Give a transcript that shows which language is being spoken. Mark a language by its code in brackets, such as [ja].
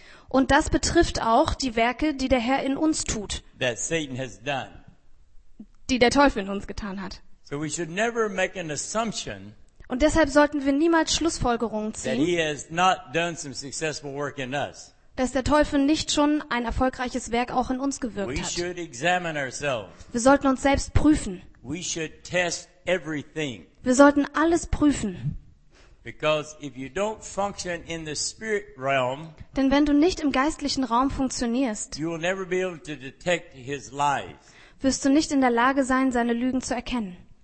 [de] Und das betrifft auch die Werke, die der Herr in uns tut, die der Teufel in uns getan hat. [en] So we should never make an assumption. [de] Und deshalb sollten wir niemals Schlussfolgerungen ziehen. [en] That he has not done some successful work in us. [de] Dass der Teufel nicht schon ein erfolgreiches Werk auch in uns gewirkt [en] we [de] hat. [en] We should examine ourselves. [de] Wir sollten uns selbst prüfen. [en] We should test everything. [de] Wir sollten alles prüfen. [en] Because if you don't function in the spirit realm, [de] denn wenn du nicht im geistlichen Raum funktionierst, [en] you will never be able to detect his lies. [de] Wirst du nicht in der Lage sein, seine Lügen zu erkennen.